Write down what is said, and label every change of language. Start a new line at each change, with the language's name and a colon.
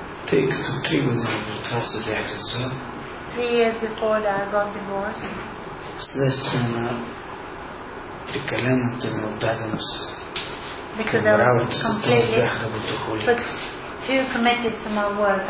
Bulgarian: Тъй като 3 години до това се бях развел.
English: 3 years before that I got divorced.
Bulgarian: Вследствие на прекалената ми отдаденост.
English: Because I was completely too committed to my work.